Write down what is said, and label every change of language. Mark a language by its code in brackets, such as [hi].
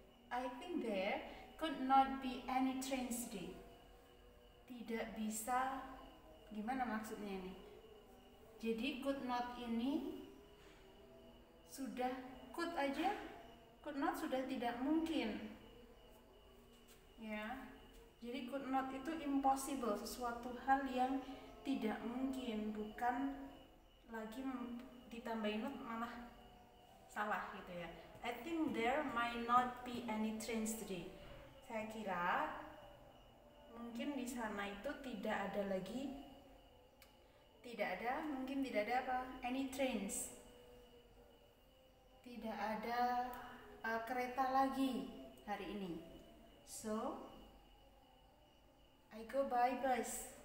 [en] I think there could not be any trains today. [id] Tidak bisa, gimana maksudnya ini? Jadi could not ini sudah could aja, could not sudah tidak mungkin. Ya. Jadi could not itu impossible, sesuatu hal yang tidak mungkin, bukan lagi ditambahin not malah salah gitu ya. [en] I think there might not be any trains today. [id] Saya kira mungkin di sana itu tidak ada lagi, tidak ada, mungkin tidak ada apa? [en] Any trains. [id] Tidak ada kereta lagi hari ini. [en] So, I go by bus.